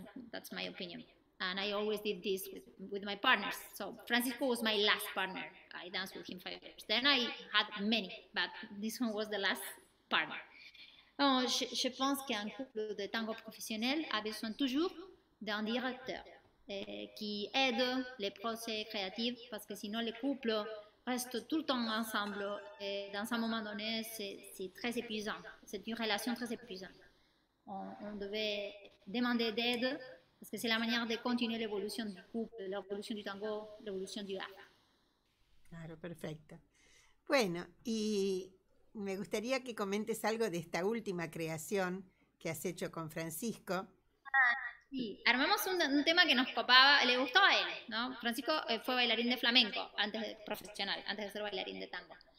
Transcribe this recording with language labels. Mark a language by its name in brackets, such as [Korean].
[English] That's my opinion. And I always did this with my partners. So Francisco was my last partner. I danced with him 5 years. Then I had many, but this one was the last partner. [French] Oh, je pense qu'un couple de tango professionnel a besoin toujours d'un directeur qui aide les procès créatifs, parce que sinon le couple reste tout le temps ensemble et dans un moment donné, c'est très épuisant. C'est une relation très épuisante. On devait demander d'aide parce que c'est la manière de continuer l'évolution du couple, l'évolution du tango, l'évolution du art. [Spanish] Claro, perfecto. Bueno, y me gustaría que comentes algo de esta última creación que has hecho con Francisco. Sí, armamos un tema que nos copaba, le gustó a él, ¿no? Francisco fue bailarín de flamenco, antes de ser bailarín de tango.